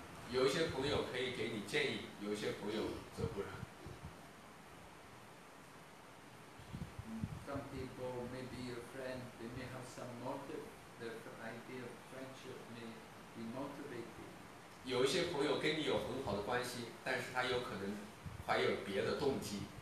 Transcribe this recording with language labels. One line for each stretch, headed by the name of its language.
Chinese: 有一些朋友可以给你建议，有一些朋友则不然。
English: Some people may be your friend, they may have some motive. Their idea of friendship may be motivated.
Chinese: 有一些朋友跟你有很好的关系，但是他有可能怀有别的动机。